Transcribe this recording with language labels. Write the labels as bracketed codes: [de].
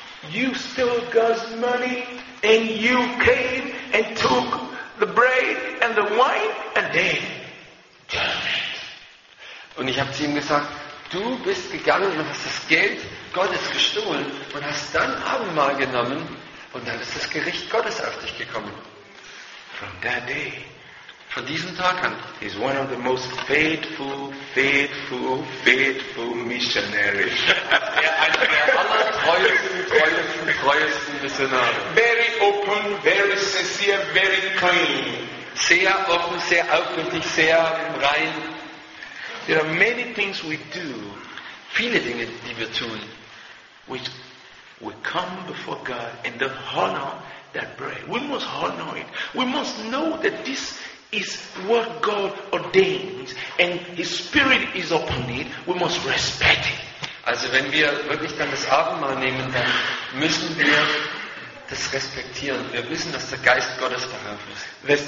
[en] You stole God's money and you came and took the bread and the wine and then judgment. [de] Und ich habe zu ihm gesagt, du bist gegangen und hast das Geld Gottes gestohlen und hast dann Abendmahl genommen und dann ist das Gericht Gottes auf dich gekommen. [en] From that day, [de] von diesem Tag an, [en] he's one of the most faithful missionaries. [de] Treuesten Missionare. [en] Very open, very sincere, very clean. [de] Sehr offen, sehr aufrichtig, sehr rein. [en] There are many things we do, [de] viele Dinge, die wir tun, [en] which we come before God and don't honor that bread. We must honor it. We must know that this is what God ordains and His Spirit is upon it. We must respect it. [de] Also wenn wir wirklich dann das Abendmahl nehmen, dann müssen wir das respektieren. Wir wissen, dass der Geist Gottes darauf ist.